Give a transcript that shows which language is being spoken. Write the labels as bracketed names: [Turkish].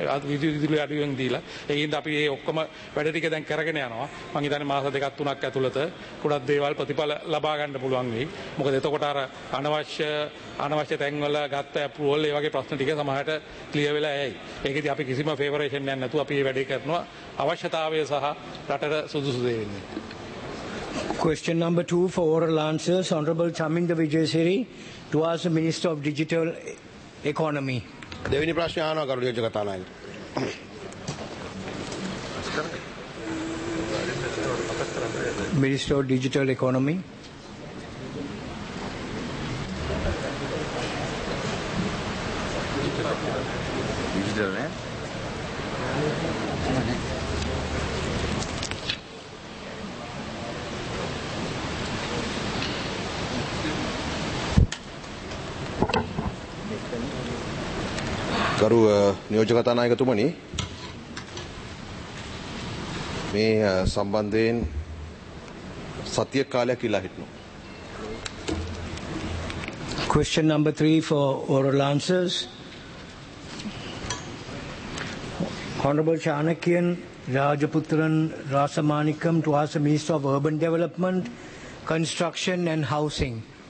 [Sinhala] විදුලි අඩුවෙන් දීලා. ඒකින්ද අපි මේ ඔක්කොම වැඩ ටික දැන් කරගෙන යනවා. මං හිතන්නේ මාස දෙකක් තුනක් ඇතුළත ගොඩක් දේවල් ප්‍රතිඵල ලබා ගන්න පුළුවන් වෙයි. මොකද එතකොට අර අනවශ්‍ය තැන්වල ගත්ත ඇප්‍රූවල් ඒ වගේ ප්‍රශ්න ටික සමහරට ක්ලියර් වෙලා යයි. ඒකදී අපි කිසිම ෆේවරේෂන් යන්නේ නැතුව අපි මේ වැඩේ කරනවා අවශ්‍යතාවය සහ රටට සුදුසු දේ වෙන්නේ. [English] Question number 2 for oral answers, Honorable Chaminda Vijayasiri, to ask the Minister of Digital Economy. [Sinhala] Devini Prashna Ahanawa Garu Niyojaka Kathanayaka. [English] Minister of Digital Economy. Digital, [Sinhala] ගරු නියෝජ්‍ය කතානායකතුමනි, මේ සම්බන්ධයෙන් සතිය කාලයක් ඉල්ලා සිටිනවා. [English] Question number 3 for oral answers. Honorable Chanakyan Rajaputran Rasamanikam to ask the Minister of Urban Development, Construction and Housing.